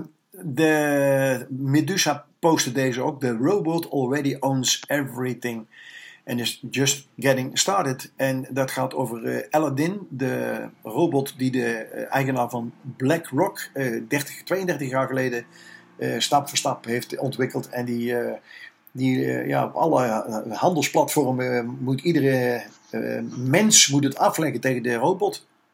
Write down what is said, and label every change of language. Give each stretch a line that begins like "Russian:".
Dutch: De Medusa postte deze ook.
English: The robot already owns everything and is just getting started.
Dutch: En dat gaat over Aladdin, de robot die de eigenaar van BlackRock 32 jaar geleden stap voor stap heeft ontwikkeld. En die op alle handelsplatformen moet iedere mens moet het afleggen tegen de robot.